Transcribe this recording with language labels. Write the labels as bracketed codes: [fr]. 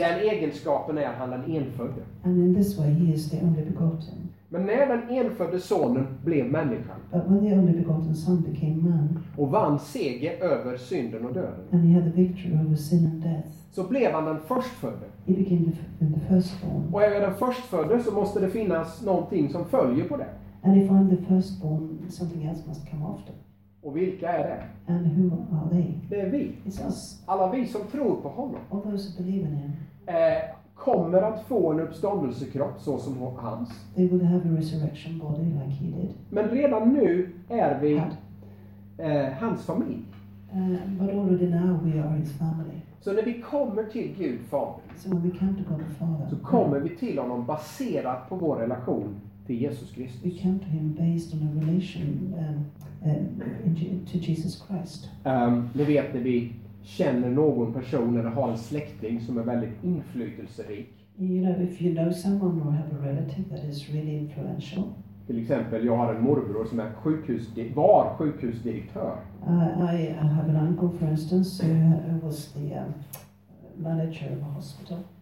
[sv] I den egenskapen är han den enfödde. [en] And in this way he is the only begotten. [sv] Men när den enfödde sonen blev människan. [en] But when the only begotten son became man. [sv] Och vann seger över synden och döden. [en] And he had the victory over sin and death. [sv] Så blev han den förstfödde. [en] He became the firstborn. [sv] Och är jag den förstfödde så måste det finnas någonting som följer på det. [en] And if I'm the firstborn, something else must come after. [sv] Och vilka är det? [en] And who are they? [sv] Det är vi. [en] It's us. [sv] Alla vi som tror på honom. [en] All those who believe in him. [sv] kommer att få en uppståndelsekropp så som hans. [en] They will have a resurrection body like he did. [sv] Men redan nu är vi hans familj. [en] But already now we are his family. [sv] Så när vi kommer till Gud Fader, [en] so when we come to God the Father, [sv] så kommer vi till honom baserat på vår relation till Jesus Kristus. [en] We come to him based on a relation to Jesus Christ. [sv] Ni vet när vi känner någon person eller har en släkting som är väldigt inflytelserik. [en] You know, if you know someone or have a relative that is really influential. [sv] Till exempel, jag har en morbror som är var sjukhusdirektör. [en] I have an uncle, for instance, who was the manager of a hospital.